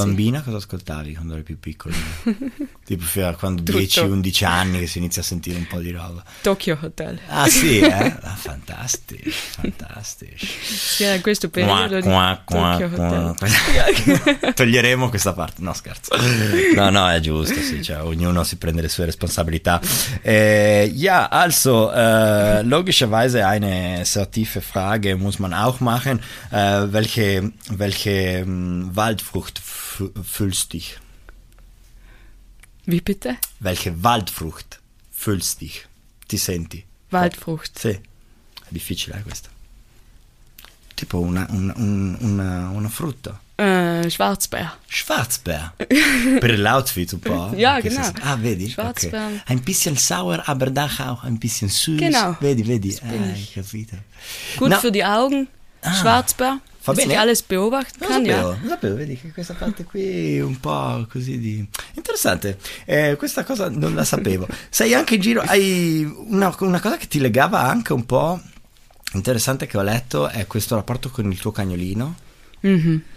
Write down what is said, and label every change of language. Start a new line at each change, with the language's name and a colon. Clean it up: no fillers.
Italian: Eri bambina cosa ascoltavi quando eri più piccola? tipo fino a quando 10-11 anni che si inizia a sentire un po' di roba. Tokyo Hotel. Ah sì, eh? Fantastico, fantastico. Sì, era questo periodo di Tokyo Hotel. Toglieremo questa parte, no scherzo. No, no, è giusto, sì, cioè ognuno si prende le sue responsabilità.
German: Logischerweise eine sehr tiefe Frage muss man auch machen. Welche Waldfrucht fühlst dich? Wie bitte? Welche Waldfrucht fühlst dich?
Italian: Ti senti?
German: Waldfrucht.
Italian: Sì. È difficile questa. Tipo una frutta.
German: Schwarzbär.
Italian: Schwarzbär. Per l'outfit un po'.
German: ja, genau.
Italian: Vedi?
German: Schwarzbär. Okay. Ein bisschen sauer, aber da auch ein bisschen süß. Genau.
Italian: Vedi? Hai capito.
German: Gut für die Augen. Schwarzbär.
Italian: Va bene.
German: Che alles beobachten kann, ja.
Italian: Lo sapevo, vedi che questa parte qui è un po' così di... Interessante, questa cosa non la sapevo. Sei anche in giro, hai una cosa che ti legava anche un po', interessante che ho letto, è questo rapporto con il tuo cagnolino, mm-hmm.